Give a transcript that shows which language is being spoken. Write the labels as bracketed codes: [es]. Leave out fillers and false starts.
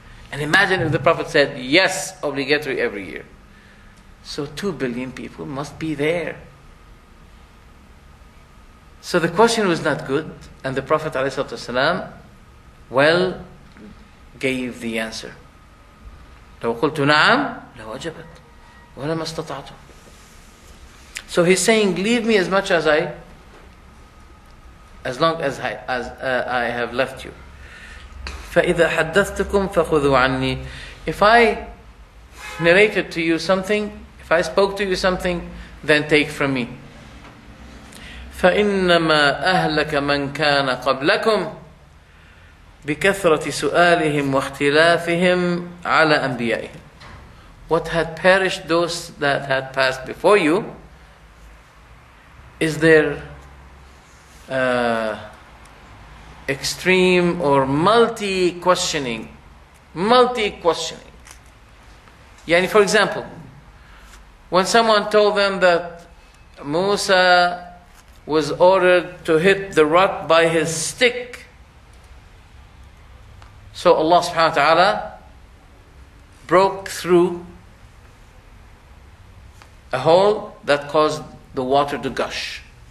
[en] And imagine if the Prophet said, yes, obligatory every year. So 2 billion people must be there. So the question was not good. And the Prophet ﷺ, well, gave the answer. [ar] لو قلت نعم لوجبت ولما استطعت. [en] So he's saying, leave me as much as long as I have left you. [ar] فإذا حدثتكم فخذوا عني. [en] If I narrated to you something, if I spoke to you something, then take from me. [ar] فإنما أهلك من كان قبلكم بكثرة سؤالهم واختلافهم على أنبيائهم. [en] What had perished those that had passed before you is their extreme or multi-questioning. Yani, for example, when someone told them that Musa was ordered to hit the rock by his stick, so Allah subhanahu wa ta'ala broke through a hole that caused the water to gush.